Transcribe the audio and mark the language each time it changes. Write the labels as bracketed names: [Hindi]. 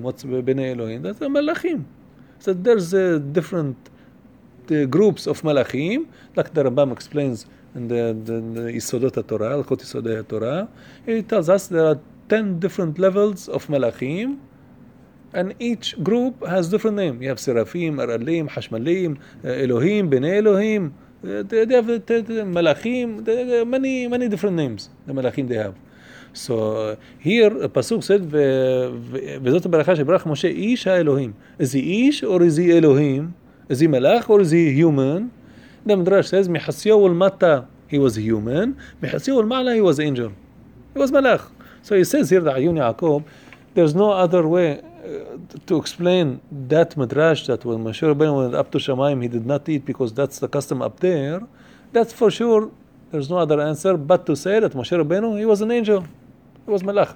[English] What's b'nei Elohim? That's Malachim. So there's different groups of Malachim, like the Rambam explains, and the Yisodot HaTorah, Al-Khot Yisodot HaTorah, it tells us there are 10 different levels of Malachim, and each group has different name. You have Seraphim, Aralim, Hashmalim, Elohim, Bnei Elohim, they have Malachim, many different names, the Malachim they have. So here, Pasuk said, [Hebrew] וזאת הברכה שברך משה, איש האלוהים. [English] Is he איש or is he Elohim? Is he Malach or is he human? The Midrash says, [Hebrew] Mihasiyo ul-Mata, [English] he was human. [Hebrew] Mihasiyo ul-Ma'la, [English] he was angel. He was Malach. So he says here, the Ayun Yaakov, there's no other way to explain that Midrash, that when Moshe Rabbeinu went up to Shamayim, he did not eat because that's the custom up there. That's for sure, there's no other answer but to say that Moshe Rabbeinu, he was an angel. There was Malach.